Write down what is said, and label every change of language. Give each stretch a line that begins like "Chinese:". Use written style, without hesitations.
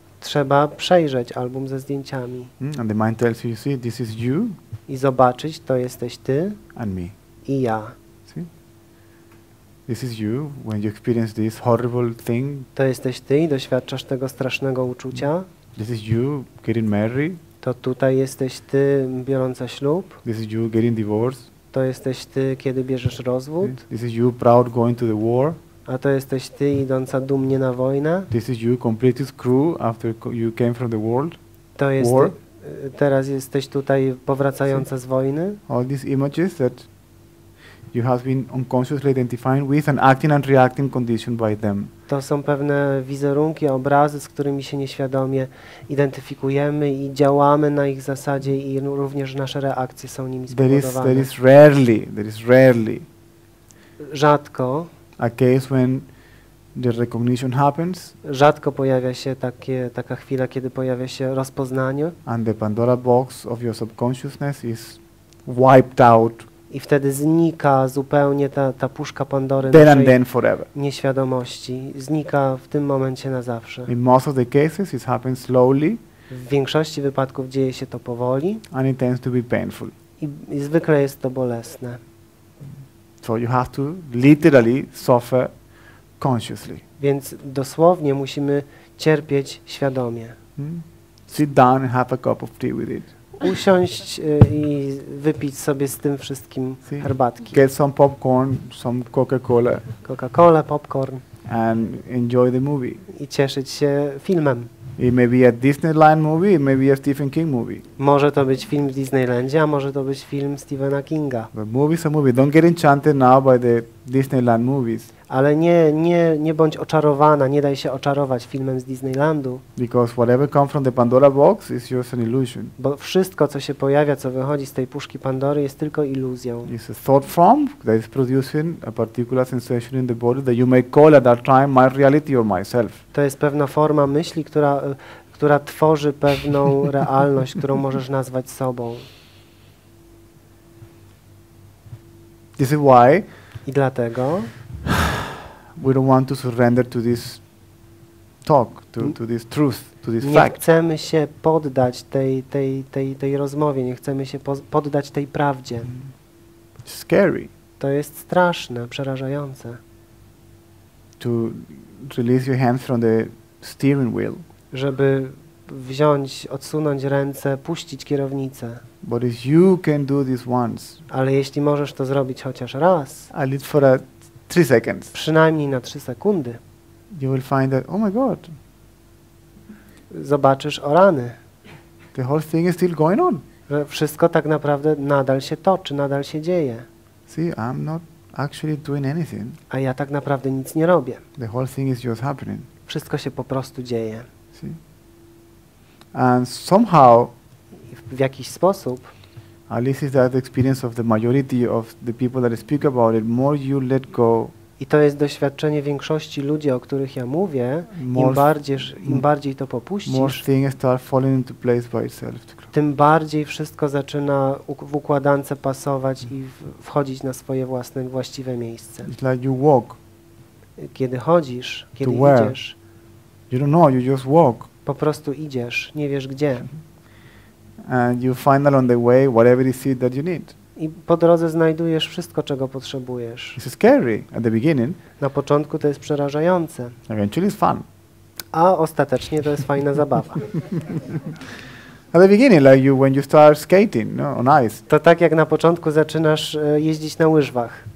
Polish: Trzeba przejrzeć album ze zdjęciami.
English: And the mind tells you, see, this is you.
Polish: I zobaczyć, to jesteś ty.
English: And me.
Polish: I ja.
English: This is you when you experience this horrible thing.
Polish: To jesteś ty i doświadczasz tego strasznego uczucia.
English: This is you getting married.
Polish: To tutaj jesteś ty biorąca ślub.
English: This is you getting divorced.
Polish: To jesteś ty, kiedy bierzesz rozwód.
English: This is you proud going to the war.
Polish: A to jesteś ty idąca dumnie na wojnę.
English: This is you completely screwed after you came from the world.
Polish: To jest
English: war.
Polish: Teraz jesteś tutaj powracająca z wojny.
English: All these images that you have been unconsciously identifying with and acting and reacting conditioned by them.
Polish: To są pewne wizerunki, obrazy, z którymi się nieświadomie identyfikujemy i działamy na ich zasadzie i również nasze reakcje są nimi spowodowane.
English: There is rarely.
Polish: Rzadko.
English: A case when the recognition happens.
Polish: Rzadko pojawia się taka chwila, kiedy pojawia się rozpoznanie.
English: And the Pandora box of your subconsciousness is wiped out.
Polish: I wtedy znika zupełnie ta puszka Pandory
English: then
Polish: naszej nieświadomości. Znika w tym momencie na zawsze.
English: In most of the cases it happens slowly.
Polish: W większości wypadków dzieje się to powoli.
English: And it tends to be painful.
Polish: I zwykle jest to bolesne.
English: So you have to literally suffer consciously.
Polish: Więc dosłownie musimy cierpieć świadomie.
English: Sit down and have a cup of tea with it.
Polish: Usiąść i wypić sobie z tym wszystkim herbatki.
English: Get some popcorn, some Coca-Cola.
Polish: Coca-Cola, popcorn.
English: And enjoy the movie.
Polish: I cieszyć się filmem.
English: It may be a Disneyland movie, it may be a Stephen King movie.
Polish: Może to być film w Disneylandzie, a może to być film Stephena Kinga.
English: But movies are movies. Don't get enchanted now by the Disneyland movies.
Polish: Ale nie bądź oczarowana, nie daj się oczarować filmem z Disneylandu.
English: Because whatever comes from the Pandora box is just an illusion.
Polish: Bo wszystko, co się pojawia, co wychodzi z tej puszki Pandory, jest tylko iluzją.
English: It's a thought form that is producing a particular sensation in the body that you may call at that time my reality or myself.
Polish: To jest pewna forma myśli, która tworzy pewną realność, którą możesz nazwać sobą.
English: This is why.
Polish: I dlatego.
English: We don't want to surrender to this talk, to this truth, to this
Polish: nie
English: fact.
Polish: Nie chcemy się poddać tej rozmowie, nie chcemy się poddać tej prawdzie.
English: Scary.
Polish: To jest straszne, przerażające.
English: To release your hands from the steering wheel.
Polish: Żeby odsunąć ręce, puścić kierownicę.
English: But if you can do this once.
Polish: Ale jeśli możesz to zrobić chociaż raz.
English: At least for a 3 seconds.
Polish: Przynajmniej na 3 sekundy.
English: You will find that, oh my god.
Polish: Zobaczysz o rany.
English: The whole thing is still going on.
Polish: Wszystko tak naprawdę nadal się toczy, nadal się dzieje.
English: See, I'm not actually doing anything.
Polish: A ja tak naprawdę nic nie robię.
English: The whole thing is just happening.
Polish: Wszystko się po prostu dzieje.
English: See? And somehow,
Polish: w jakiś sposób,
English: at least is that the experience of the majority of the people that speak about it, more you let go.
Polish: I to jest doświadczenie większości ludzi, o których ja mówię, im bardziej to popuścisz,
English: more things start falling into place by itself.
Polish: Tym bardziej wszystko zaczyna w układance pasować i wchodzić na swoje własne, właściwe miejsce.
English: It's like you walk.
Polish: Kiedy chodzisz, kiedy idziesz.
English: You don't know, you just walk.
Polish: Po prostu idziesz, nie wiesz gdzie.
English: And you find along the way whatever it is that you need.
Polish: I po drodze znajdujesz wszystko, czego potrzebujesz.
English: It's scary at the beginning.
Polish: Na początku to jest przerażające.
English: Eventually it's fun.
Polish: A ostatecznie to jest fajna zabawa.
English: At the beginning, like you when you start skating, no, on ice.
Polish: To tak jak na początku zaczynasz jeździć na łyżwach.